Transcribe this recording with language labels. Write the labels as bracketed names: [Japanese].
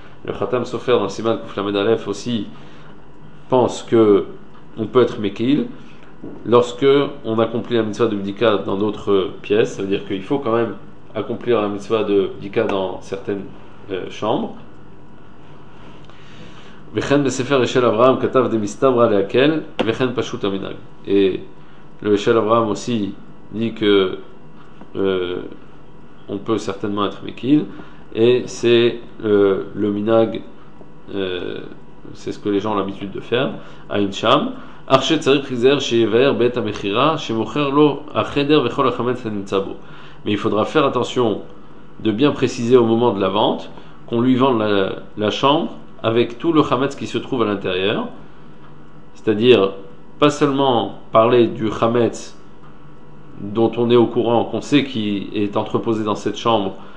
[French] Le chatam sofer dans le siman kuf lamedalef aussi pense qu'on peut être mekil lorsque on accomplit la mitzvah de bdika dans d'autres pièces. Ça veut dire qu'il faut quand même accomplir la mitzvah de bdika dans certaines chambres. [Hebrew] וכן בספר ישל אברהם כתב דמסתברא להקל וכן פשוט המנהג. [French] Et le ישל אברהם aussi dit que on peut certainement être mekil, et c'est le minag, c'est ce que les gens ont l'habitude de faire. [Hebrew] Ein sham אך שצריך להיזהר שיבאר בית המכירה שמוכר לו החדר וכל החמץ הנמצא בו. [French] Mais il faudra faire attention de bien préciser au moment de la vente qu'on lui vende la chambre avec tout le chametz qui se trouve à l'intérieur, c'est-à-dire pas seulement parler du chametz dont on est au courant, qu'on sait qu'il est entreposé dans cette chambre,